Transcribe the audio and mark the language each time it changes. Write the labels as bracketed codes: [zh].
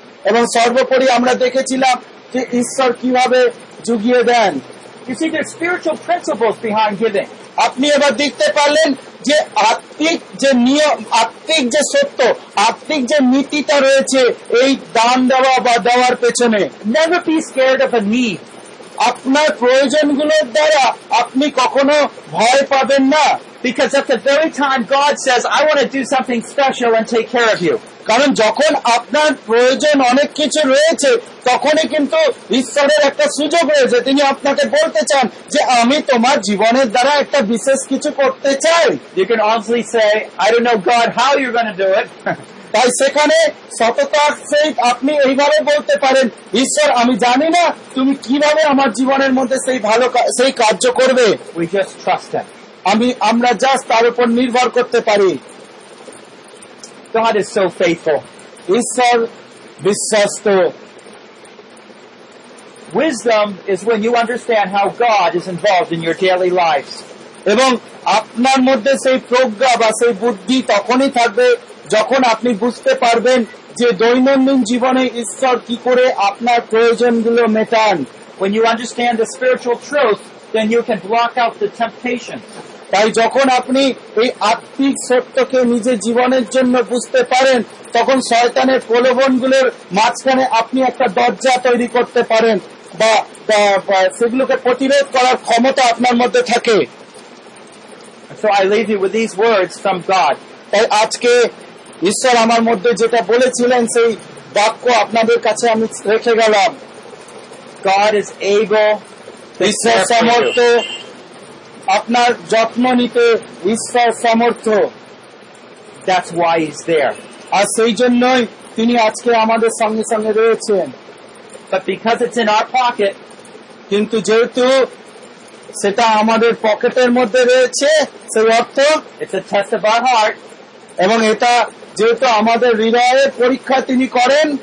[bn] এবং সর্বোপরি আমরা দেখেছিলাম যে ঈশ্বর কিভাবে জুগিয়ে দেন। [en] You see the spiritual principles behind giving. [bn] আপনি এবার দেখতে পারলেন যে আত্মিক যে নিয়ম, আত্মিক যে সত্য, আত্মিক যে নীতিটা রয়েছে এই দান দেওয়া বা দেওয়ার পেছনে। [en] Never be scared of a need. [bn] আপনার প্রয়োজনগুলোর দ্বারা আপনি কখনো ভয় পাবেন না। [en] Because at the very time God says, I want to do something special and take care of you. [bn] কারণ যখন আপনার প্রয়োজন অনেক কিছু রয়েছে তখনই কিন্তু ঈশ্বরের একটা সুযোগ রয়েছে, তিনি আপনাকে বলতে চান যে আমি তোমার জীবনের দ্বারা একটা বিশেষ কিছু করতে চাই। [en] You can honestly say, I don't know God how you're going to do it. [bn] তাই সেখানে সততার সহিত আপনি এইভাবে বলতে পারেন, ঈশ্বর আমি জানি না তুমি কিভাবে আমার জীবনের মধ্যে সেই ভালো সেই কার্য করবে। [en] We just trust him. [bn] আমরা জাস্ট তার উপর নির্ভর করতে পারি। [en] God is so faithful. [bn] ঈশ্বর বিশ্বস্ত। [en] Wisdom is when you understand how God is involved in your daily lives. [bn] এবং আপনার মধ্যে সেই প্রজ্ঞা বা সেই বুদ্ধি তখনই থাকবে যখন আপনি বুঝতে পারবেন যে দৈনন্দিন জীবনে ঈশ্বর কি করে আপনার প্রয়োজনগুলো মেটান। [en] When you understand the spiritual truth, then you can block out the temptations. [bn] তাই যখন আপনি এই আত্মিক সত্যকে নিজের জীবনের জন্য বুঝতে পারেন তখন শয়তানের প্রলোভনগুলোর মাঝখানে আপনি একটা দরজা তৈরি করতে পারেন বা সেগুলোকে প্রতিরোধ করার ক্ষমতা আপনার মধ্যে থাকে। [en] So I leave you with these words from God. [bn] তাই আজকে ঈশ্বর আমার মধ্যে যেটা বলেছিলেন সেই বাক্য আপনাদের কাছে আমি রেখে গেলাম। [en] God is able. [bn] ঈশ্বর সমর্থ আপনার যত্ন নিতে, ঈশ্বর সমর্থ। [en] That's why he's there. [bn] আর সেই জন্যই তিনি আজকে আমাদের সঙ্গে সঙ্গে রয়েছেন। [en] But because it's in our pocket, [bn] কিন্তু যেহেতু সেটা আমাদের পকেটের মধ্যে রয়েছে সেই অর্থ, [en] it's a test of our heart. [bn] এবং এটা যেহেতু আমাদের হৃদয়ের পরীক্ষা তিনি করেন,